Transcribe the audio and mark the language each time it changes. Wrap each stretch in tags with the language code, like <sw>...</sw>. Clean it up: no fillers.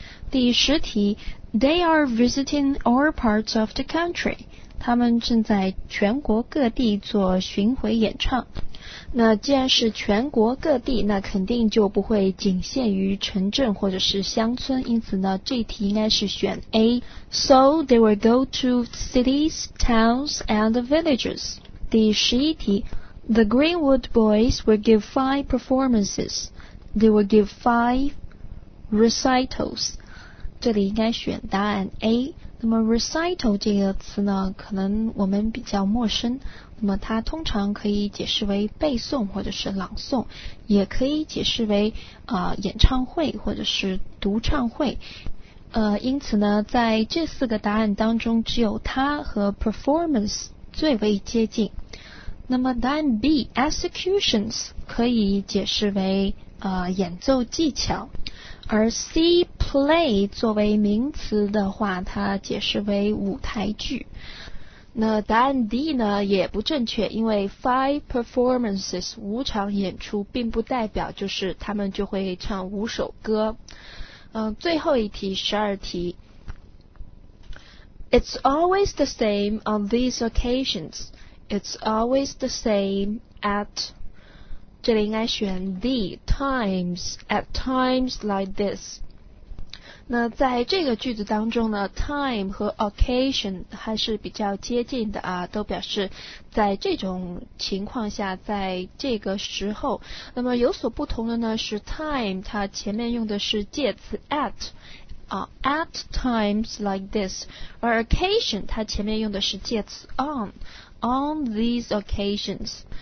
<zh>第十题，</zh> <en>They are visiting all parts of the country，</en> <zh>他们正在全国各地做巡回演唱。那既然是全国各地，那肯定就不会仅限于城镇或者是乡村，因此呢这题应该是选 A。</zh> <en>So they will go to cities, towns and villages。</en> <zh>第十一题，</zh> <en>The Greenwood Boys will give five performances. They will give five recitals。</en> <zh>这里应该选答案 A。那么 recital 这个词呢，可能我们比较陌生，那么它通常可以解释为背诵或者是朗诵，也可以解释为演唱会或者是独唱会。因此呢，在这四个答案当中，只有它和 performance 最为接近。那么答案 B， executions 可以解释为演奏技巧，而 C， play 作为名词的话，它解释为舞台剧。那答案 D 呢也不正确，因为</zh> <en>five performances</en> <zh>五场演出并不代表就是他们就会唱五首歌。最后一题，十二题，</zh> <en>It's always the same on these occasions. It's always the same at，</en> <zh>这里应该选</zh> <en>D， times， at times like this。</en> <zh>那在这个句子当中呢， time 和 occasion 还是比较接近的啊，都表示在这种情况下，在这个时候。那么有所不同的呢是 time， 它前面用的是介词 at，</zh> <en>at times like this，</en> <zh>而 occasion 它前面用的是介词</zh> <en>on these occasions。</en>